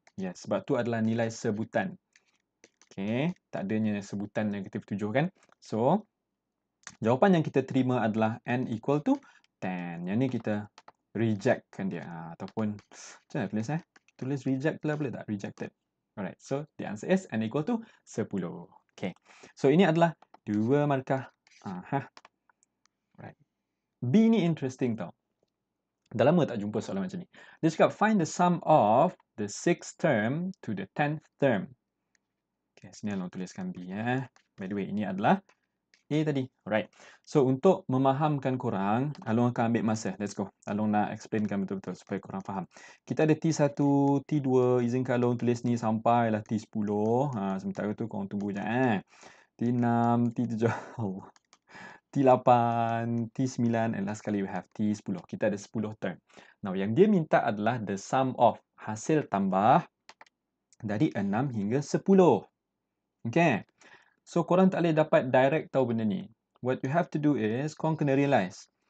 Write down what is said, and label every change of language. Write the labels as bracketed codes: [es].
[ms] Yes, sebab tu adalah nilai sebutan. Okay, tak adanya sebutan negatif 7 kan. So, jawapan yang kita terima adalah [en] n equal to 10. [ms] Yang ni kita rejectkan dia. Ataupun, macam mana tulis eh? Tulis reject lah boleh tak? [en] Rejected. Alright, so the answer is n equal to 10. Okay, so [ms] ini adalah 2 markah. [en] Aha. Right. [ms] B ni interesting tau. Dah lama tak jumpa soalan macam ni. Dia cakap, [en] find the sum of the 6th term to the 10th term. [ms] Okay, sini Along tuliskan B. Eh. [en] By the way, [ms] ini adalah A tadi. Alright. So, untuk memahamkan korang, Along akan ambil masa. [en] Let's go. [ms] Along nak explainkan betul-betul supaya korang faham. Kita ada T1, T2. Izinkan Along tulis ni sampai lah T10. Ha, sementara tu korang tunggu je. Eh. T6, T7. T8, T9 and last sekali [en] we have T10. [ms] Kita ada 10 term. Now, yang dia minta adalah [en] the sum of [ms] hasil tambah dari 6 hingga 10. Okay. So, korang tak boleh dapat direct tahu benda ni. [en] What you have to do is, [ms] korang kena realize.